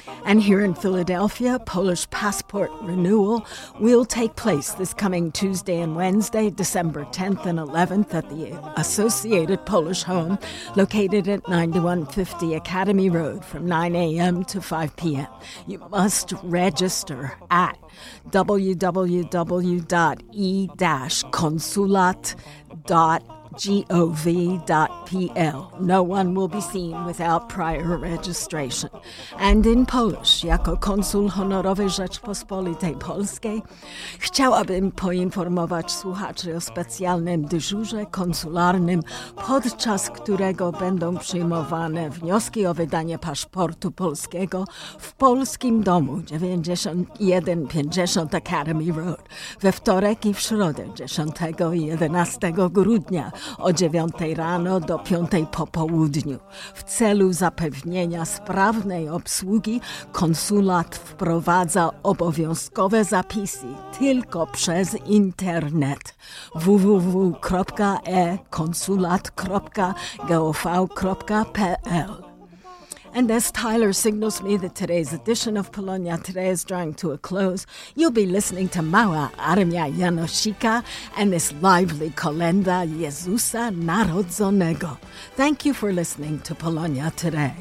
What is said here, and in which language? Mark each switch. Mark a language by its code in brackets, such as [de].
[en] And here in Philadelphia, Polish passport renewal will take place this coming Tuesday and Wednesday, December 10th and 11th at the Associated Polish Home, located at 9150 Academy Road from 9 a.m. to 5 p.m. You must register at www.e-consulat.gov.pl. No one will be seen without prior registration. And in Polish, [pl] jako konsul honorowy Rzeczpospolitej Polskiej, chciałabym poinformować słuchaczy o specjalnym dyżurze konsularnym, podczas którego będą przyjmowane wnioski o wydanie paszportu polskiego w polskim domu 9150 Academy Road we wtorek i w środę 10 i 11 grudnia o 9 rano do 5 po południu. W celu zapewnienia sprawnej obsługi konsulat wprowadza obowiązkowe zapisy tylko przez internet www.ekonsulat.gov.pl. [en] And as Tyler signals me that today's edition of Polonia Today is drawing to a close, you'll be listening to Mała Armia Janosika and this lively kolenda Jezusa Narodzonego. Thank you for listening to Polonia Today.